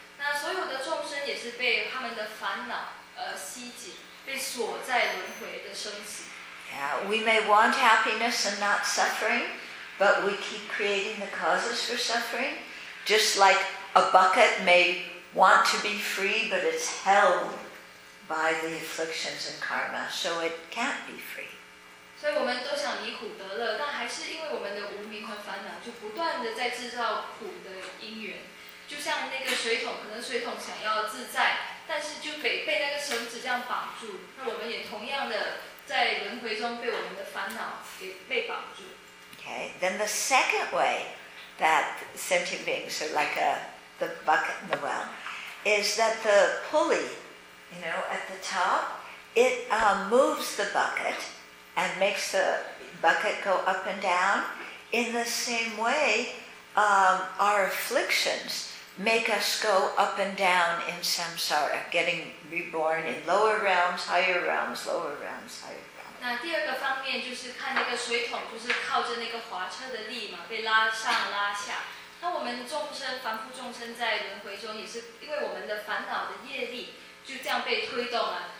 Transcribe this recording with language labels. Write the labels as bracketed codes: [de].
[zh] 那所有的众生也是被他们的烦恼吸紧，被锁在轮回的生死。 [en] Yeah, we may want happiness and not suffering, but we keep creating the causes for suffering. Just like a bucket may want to be free, but it's held by the afflictions and karma, so it can't be free. So we want to be happy, but still because of our ignorance and sorrow, we continually create suffering. Just like that water bottle, maybe the water bottle wants to be free, but it's held by the afflictions and karma, so we can't be free. So we also have the same in the reincarnation, we have our sorrows. Okay, then the second way. That sentient beings are like the bucket in the well, is that the pulley, you know, at the top, it moves the bucket and makes the bucket go up and down. In the same way, our afflictions make us go up and down in samsara, getting reborn in lower realms, higher realms, lower realms, higher realms. [zh] 那第二个方面就是看那个水桶，就是靠着那个滑车的力嘛，被拉上拉下。那我们众生凡夫众生在轮回中，也是因为我们的烦恼的业力，就这样被推动啊。